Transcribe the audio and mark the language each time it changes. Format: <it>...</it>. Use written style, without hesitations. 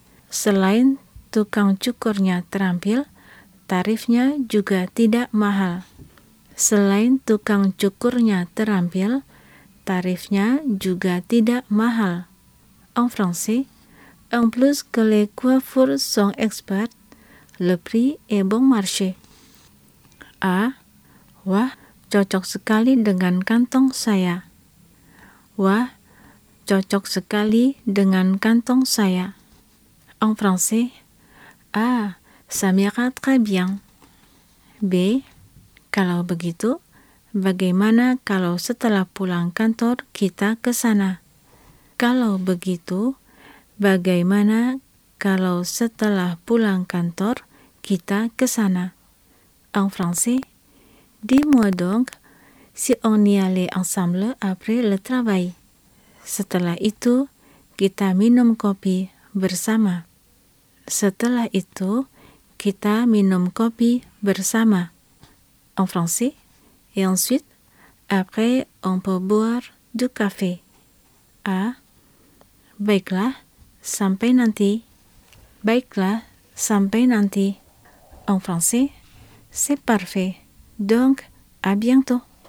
<id>Selain tukang cukurnya terampil, tarifnya juga tidak mahal. Selain tukang cukurnya terampil, tarifnya juga tidak mahal.</id> <fr>En français, en plus que les coiffures sont experts, le prix est bon marché. A.</fr> <id>Wah, cocok sekali dengan kantong saya. Wah, cocok sekali dengan kantong saya.</id> <fr>En français, ah, ça m'ira très bien.</fr> <id>B. Kalau begitu, bagaimana kalau setelah pulang kantor kita ke sana? Kalau begitu, bagaimana kalau setelah pulang kantor kita ke sana?</id> <fr>En français, dis-moi donc si on y allait ensemble après le travail.</fr> <id>Setelah itu, kita minum kopi bersama. Setelah itu, kita minum kopi bersama.</id> <fr>En français, et ensuite, après, on peut boire du café. A.</fr> <id>Baiklah, sampai nanti. Baiklah, sampai nanti.</id> <fr>En français, c'est parfait. Donc, à bientôt.</fr>